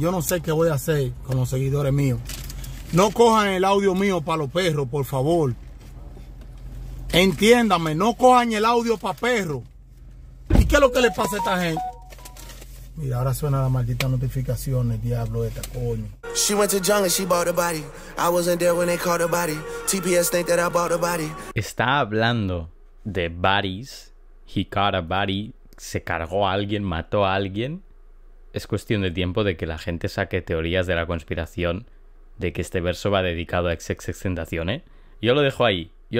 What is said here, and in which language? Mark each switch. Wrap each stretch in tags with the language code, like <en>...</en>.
<es>Yo no sé qué voy a hacer con los seguidores míos. No cojan el audio mío para los perros, por favor. Entiéndame, no cojan el audio para perros. ¿Y qué es lo que le pasa a esta gente? Mira, ahora suena la maldita notificación, el diablo esta, coño.</es> <en>She went to jungle, she bought a body. I wasn't there when they caught a body. TPS think that I bought a body.</en> <es>Está hablando de bodies.</es> <en>He caught a body.</en> <es>Se cargó a alguien, mató a alguien. Es cuestión de tiempo de que la gente saque teorías de la conspiración de que este verso va dedicado a XXXTentacion, ¿eh? Yo lo dejo ahí.</es>